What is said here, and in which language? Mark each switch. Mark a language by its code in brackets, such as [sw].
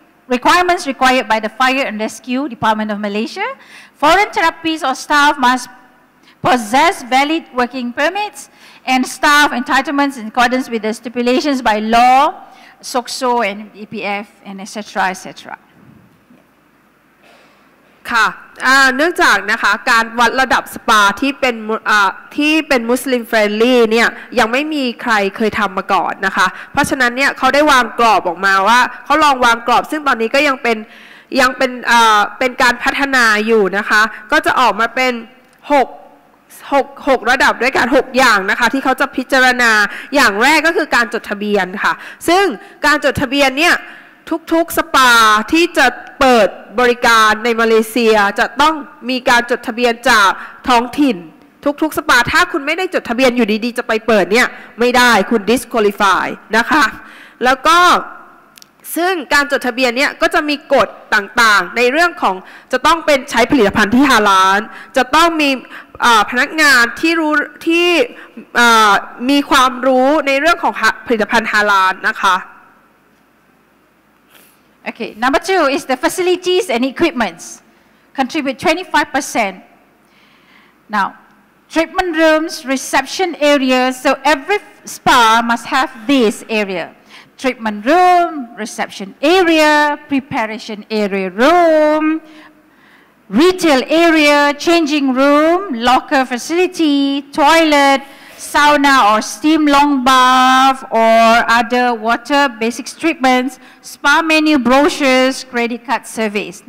[en] requirements required by the Fire and Rescue Department of Malaysia. Foreign therapists or staff must possess valid working permits and staff entitlements in accordance with the stipulations by law, SOCSO and EPF, and etc., etc. [th] ค่ะเนื่องจากนะคะการวัดระดับสปาที่เป็นที่เป็นมุสลิมเฟรนลี่เนี่ยยังไม่มีใครเคยทำมาก่อนนะคะเพราะฉะนั้นเนี่ยเขาได้วางกรอบออกมาว่าเขาลองวางกรอบซึ่งตอนนี้ก็ยังเป็นการพัฒนาอยู่นะคะก็จะออกมาเป็น6ระดับด้วยกัน6อย่างนะคะที่เขาจะพิจารณาอย่างแรกก็คือการจดทะเบียนค่ะซึ่งการจดทะเบียนเนี่ยทุกๆสปาที่จะเปิดบริการในมาเลเซียจะต้องมีการจดทะเบียนจากท้องถิ่นทุกๆสปาถ้าคุณไม่ได้จดทะเบียนอยู่ดีๆจะไปเปิดเนี่ยไม่ได้คุณ disqualify นะคะแล้วก็ ซึ่งการจดทะเบียนเนี่ยก็จะมีกฎต่างๆในเรื่องของจะต้องเป็นใช้ผลิตภัณฑ์ที่ฮาลาลจะต้องมีพนักงานที่รู้ที่มีความรู้ในเรื่องของผลิตภัณฑ์ฮาลาลนะคะ [en] Okay, number two is the facilities and equipments contribute 25%. Now, treatment rooms, reception areas, so every spa must have this area. Treatment room, reception area, preparation area room, retail area, changing room, locker facility, toilet, sauna or steam long bath or other water basic treatments, spa menu brochures, credit card service.